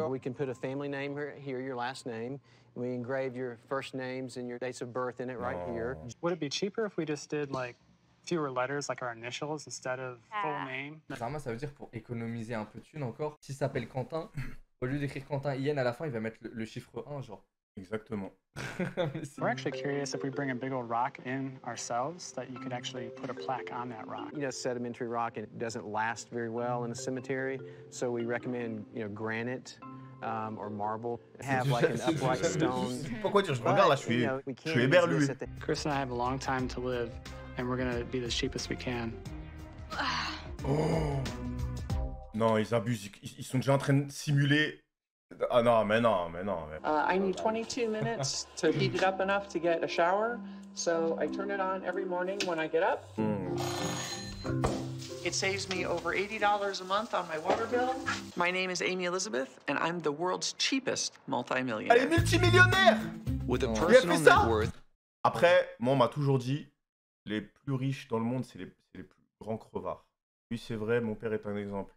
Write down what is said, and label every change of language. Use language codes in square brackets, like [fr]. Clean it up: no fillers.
[en] We can put a family name here, your last name. We engrave your first names and your dates of birth in it right here. Would it be cheaper if we just did like fewer letters, like our initials instead of full name? [fr] Zama, ça veut dire pour économiser un peu de thune encore. S'il s'appelle Quentin, au lieu d'écrire Quentin Ian à la fin, il va mettre le chiffre 1, genre. Exactement. [en] We're actually curious if we bring a big old rock in ourselves that you could actually put a plaque on that rock. You know, sedimentary rock, it doesn't last very well in a cemetery, so we recommend, you know, granite. Or marble, have like an upright stone. [fr] Pourquoi tu regardes là, je suis, [en] you know, [fr] je suis éberlué. [en] Chris and I have a long time to live, and we're gonna be the cheapest we can. Oh. [fr] Non, ils abusent, ils sont déjà en train de simuler. Ah non, mais non, mais non. Mais... [en] I need 22 minutes to heat it up enough to get a shower, so I turn it on every morning when I get up. It saves me over $80 a month on my water bill. My name is Amy Elizabeth, and I'm the world's cheapest multimillionaire. [fr] Elle est multimillionnaire. [en] With a personal net worth. [fr] Après, moi, on m'a toujours dit, les plus riches dans le monde, c'est les plus grands crevards. Oui, c'est vrai, mon père est un exemple.